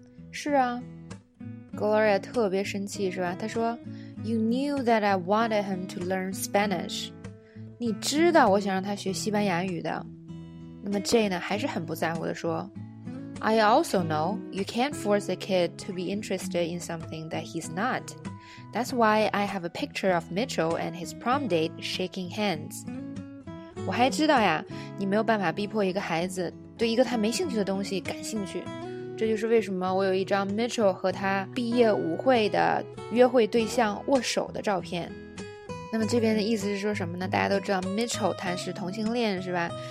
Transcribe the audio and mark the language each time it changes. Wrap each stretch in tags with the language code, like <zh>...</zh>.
<zh>是啊， Gloria 特别生气，是吧？他说</zh> <en>You knew that I wanted him to learn Spanish。</en> <zh>你知道我想让他学西班牙语的。那么 Jay 呢还是很不在乎的说</zh> <en>I also know you can't force a kid to be interested in something that he's not. That's why I have a picture of Mitchell and his prom date shaking hands.</en> <zh>我还知道呀，你没有办法逼迫一个孩子对一个他没兴趣的东西感兴趣。这就是为什么我有一张 Mitchell 和他毕业舞会的约会对象握手的照片。那么这边的意思是说什么呢？大家都知道 Mitchell 他是同性恋，是吧？</zh>